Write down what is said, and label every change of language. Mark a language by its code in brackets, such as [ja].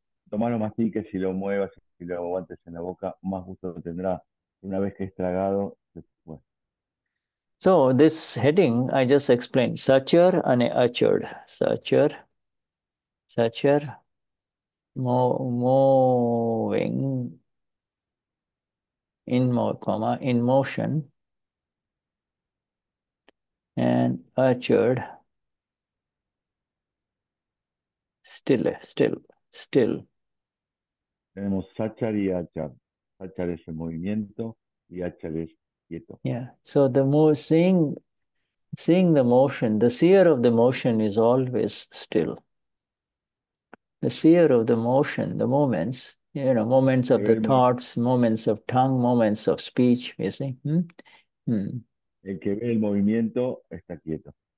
[es] Tomalo, mastiques, y lo muevas, y lo aguantes en la boca, más gusto tendrá. Una vez que es tragado, se fue. [en] So this heading, I just explained, Sachar and Achar. Sachar, Sachar. Moving in more comma in motion and Achar still. [es] Tenemos Sachar y Achar. Sachar es el movimiento y Achar es quieto. [en] Yeah. So the seeing the motion, the seer of the motion is always still. The seer of the motion, the moments, you know, moments of the thoughts, moments of tongue, moments of speech, you see. [es] El que ve el movimiento está quieto.